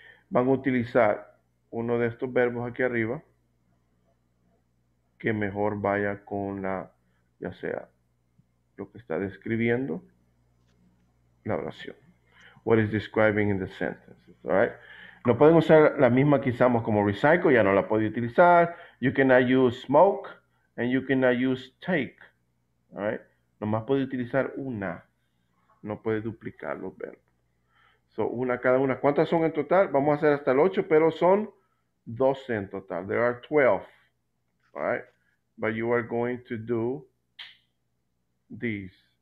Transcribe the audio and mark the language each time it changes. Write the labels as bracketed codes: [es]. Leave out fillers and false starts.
[es] Van a utilizar uno de estos verbos aquí arriba que mejor vaya con la, ya sea lo que está describiendo la oración. [en] What is describing in the sentences, all right? [es] No pueden usar la misma que usamos como recycle, ya no la puede utilizar. [en] You cannot use smoke and you cannot use take, all right? [es] Nomás puede utilizar una, no puede duplicar los verbos. So, una cada una. ¿Cuántas son en total? Vamos a hacer hasta el 8, pero son 12 en total. [en] There are 12, all right? But you are going to do these.